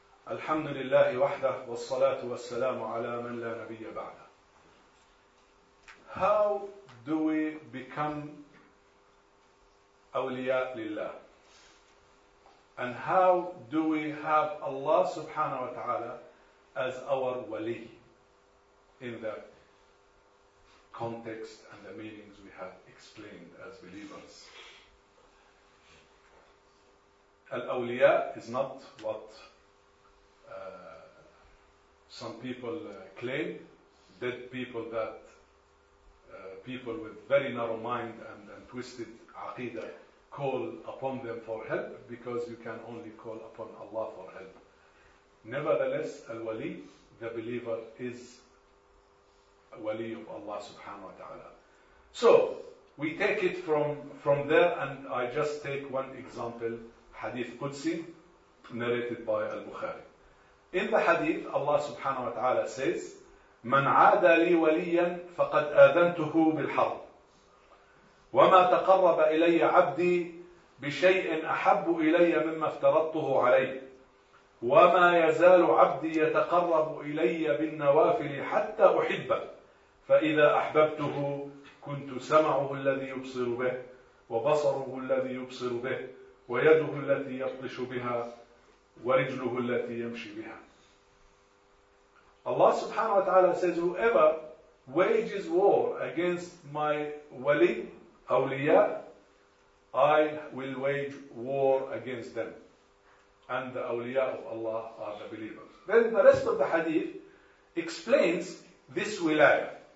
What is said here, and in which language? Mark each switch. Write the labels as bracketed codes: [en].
[ar] الحمد لله وحده والصلاة والسلام على من لا نبي بعده. [en] How do we become [ar] أولياء لله? [en] And how do we have Allah subhanahu wa ta'ala as our wali in the context and the meanings we have explained as believers? الأولياء is not what some people claim, dead people, that people with very narrow mind and twisted aqidah call upon them for help, because you can only call upon Allah for help. Nevertheless, al-wali, the believer, is a wali of Allah subhanahu wa ta'ala. So we take it from there, and I just take one example, hadith Qudsi narrated by al-Bukhari. In the hadith, Allah subhanahu wa ta'ala says, [ar] مَنْ عَادَ لِي وَلِيًّا فَقَدْ آذَنْتُهُ بِالْحَرْبِ وَمَا تَقَرَّبَ إِلَيَّ عَبْدِي بِشَيْءٍ أَحَبُّ إِلَيَّ مِمَّا افْتَرَضْتُهُ عَلَيْهِ وَمَا يَزَالُ عَبْدِي يَتَقَرَّبُ إِلَيَّ بِالنَّوَافِلِ حَتَّى أُحِبَّهُ فَإِذَا أَحْبَبْتُهُ كُنْتُ سَمْعُهُ الَّذِي يُبْصِرُ بِهِ وَبَصَرُهُ الَّذِي يُبْصِرُ بِهِ وَيَدُهُ الَّتِي يَبْطِشُ بِهَا وَرِجْلُهُ الَّتِي يَمْشِي بِهَا. [en] Allah subhanahu wa ta'ala says, whoever wages war against my wali, awliya, I will wage war against them. And the awliya of Allah are the believers. Then the rest of the hadith explains this wilaya.